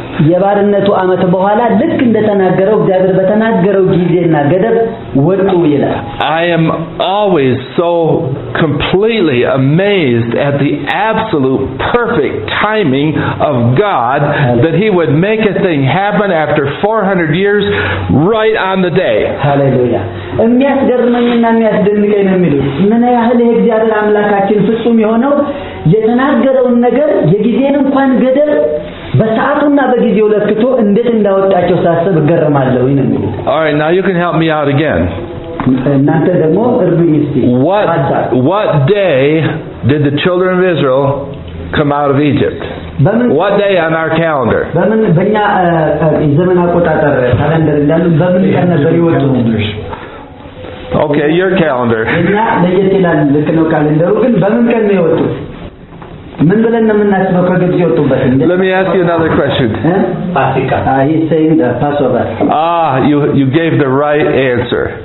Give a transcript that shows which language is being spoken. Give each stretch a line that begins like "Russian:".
Amharic: የባርነቱ አመት በኋላ ልክ እንደተናገረው እግዚአብሔር በተናገረው ጊዜና ገደብ ወጡ ይላል
English: I am always so completely amazed at the absolute perfect timing of God that he would make a thing happen after 400 years right on the day
Amharic: Hallelujah የሚያስገርመኝና የሚያስደንቀኝ ነው የሚሉት ምን ያህል እግዚአብሔር አምላካችን ፍጹም የሆነው የተናገረውን ነገር የጊዜን እንኳን ገደብ በሰዓቱና በጊዜው ለክቶ እንዴት እንዳወጣቸው ሳስብ እገረማለሁ ይነም
English: All right now you can help me out again
Amharic: እናንተ ደግሞ እርዱኝ እስቲ
English: What day did the children of Israel come out of Egypt What day on our calendar
Amharic: በምን በእኛ ዘመን አቆጣጠር ካለንደር እንዳሉ በምን ቀን ነበር ይወጡት
English: Okay your calendar
Amharic: እኛ ለየት ይላል ለከነው ካለንደሩ ግን በምን ቀን ነው ይወጡት ምን ብለን ነው እናስበው ከግብጽ ይወጡበት እንዴ?
English: Let me ask you another question.
Amharic: ፋሲካ.
English: Ah, he's saying the Passover. Ah, you gave the right answer.